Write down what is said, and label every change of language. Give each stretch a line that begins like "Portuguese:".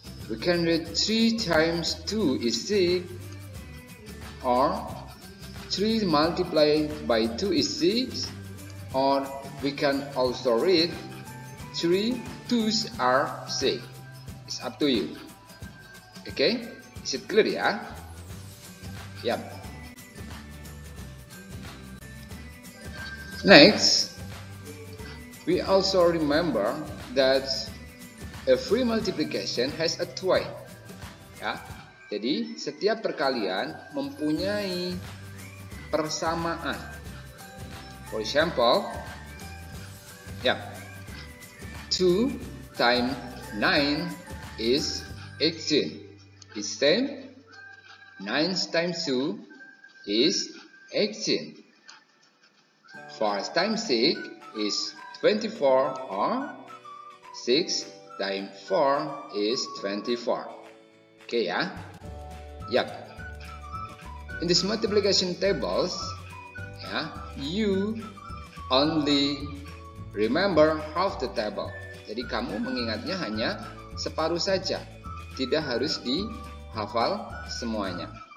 English: We can read 3 times 2 is 6, or 3 multiplied by 2 is 6, or we can also read 3 twos are 6. It's up to you. Okay? Is it clear, yeah? Yep. Next, we also remember that every multiplication has a two. Ya.
Indonesian: Jadi, setiap perkalian mempunyai persamaan.
English: For example, ya. 2 times 9 is 18. It's same. 9 times 2 is 18. 4 times 6 is 24, or 6 times 4 is 24. Okay, yeah? Yep. In this multiplication tables, yeah, you only remember half the table.
Indonesian: Jadi kamu mengingatnya hanya separuh saja. Tidak harus dihafal semuanya.